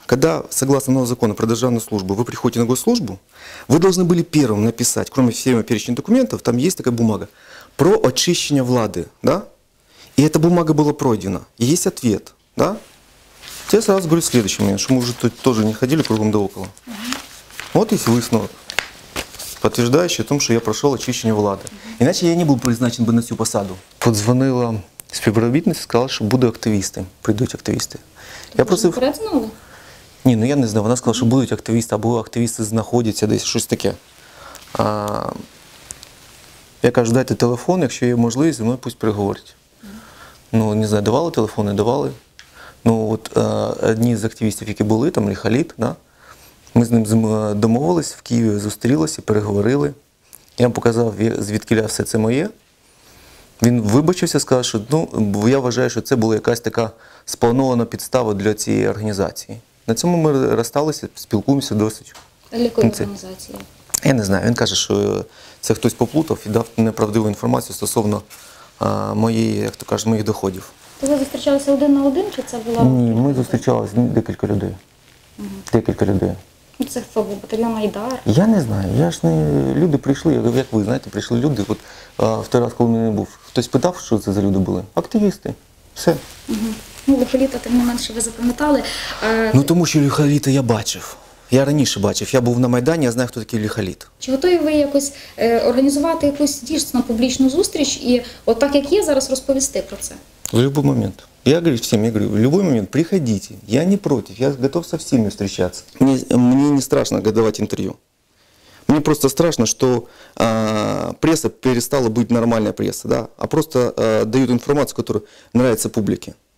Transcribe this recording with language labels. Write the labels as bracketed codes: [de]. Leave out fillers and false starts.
[ru] Когда, согласно новому закону про державную службу, вы приходите на госслужбу, вы должны были первым написать, кроме всего перечня документов, там есть такая бумага, про очищение Влады, да, и эта бумага была пройдена, и есть ответ, да. Я сразу говорю следующий момент, что мы уже тут тоже не ходили кругом да около. Вот если вы снова... подтверждающий о том, что я прошел очищение Влада. Иначе я не был призначен бы на всю посаду. [uk] Подзвонила співробітниця, [ru] сказала, что будут активисты. Придут активисты. Я просто... Признала? Не, ну я не знаю. Она сказала, что будут активисты, або активисты знаходятся, десь что-то такое. А... [uk] Я кажу, [ru] дайте телефон, если есть возможность, ну пусть переговорят. Ну, не знаю, давали телефоны, давали. Ну, вот одни из активистов, которые были, там, Лихалит, да, [uk] ми з ним домовились, в Києві зустрілися, переговорили. Я вам показав, звідкіля все це моє. Він вибачився, сказав, що ну, я вважаю, що це була якась така спланована підстава для цієї організації. На цьому ми розсталися, спілкуємося досить. А якої організації? Я не знаю. Він каже, що це хтось поплутав і дав неправдиву інформацію стосовно моєї, як то кажуть, моїх доходів. То ви зустрічалися один на один, чи це була? Ні, ми зустрічалися декілька людей. Угу. Декілька людей. Це був батальйон «Айдар». Я не знаю. Я ж не... Люди прийшли, як ви знаєте, прийшли люди. От, в той раз, коли мене не був, хтось питав, що це за люди були. Активісти. Все. Угу. Ну, Лихоліта, тим не менше, ви запам'ятали. Ну, тому що Лихоліта я бачив. Я раніше бачив. Я був на Майдані, я знаю, хто такий Лихоліт. Чи готові ви якось організувати якусь дійсно публічну зустріч і от так, як є, зараз розповісти про це? В будь-який момент. [ru] Я говорю всем, я говорю, в любой момент приходите, я не против, я готов со всеми встречаться. Мне не страшно давать интервью. Мне просто страшно, что пресса перестала быть нормальной прессой, да, а просто дают информацию, которая нравится публике.